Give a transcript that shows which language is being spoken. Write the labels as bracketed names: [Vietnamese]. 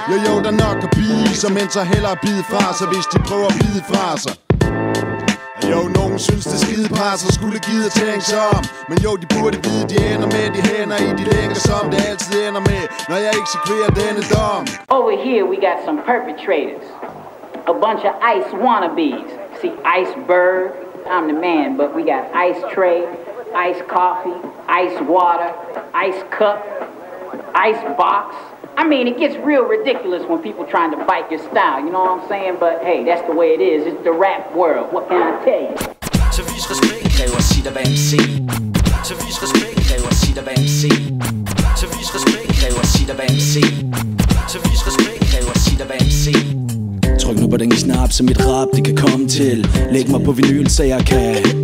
[Danish] Jo, jo, der nok at bide i sig, men så hellere bide fra sig, hvis de prøver at bide fra sig. Jo, nogen synes det skide presser, skulle gide at tænke sig om. Men jo, de burde vide, de ender med de hænder i de længere, som det altid ender med, når jeg eksekverer denne dom. [English] Over here we got some perpetrators. A bunch of ice wannabes. See, iceberg, I'm the man, but we got ice tray, ice coffee, ice water, ice cup, ice box. I mean, it gets real ridiculous when people trying to bite your style, you know what I'm saying? But hey, that's the way it is. It's the rap world. What can I tell you? [Danish] Så vis respekt, kræver sit af MC. Så vis respekt, kræver sit af MC. Så vis respekt, kræver sit af MC. Så vis respekt, kræver sit af MC. Tryk nu på den knap, så mit rap det kan komme til. Læg mig på vinyl, så jeg kan.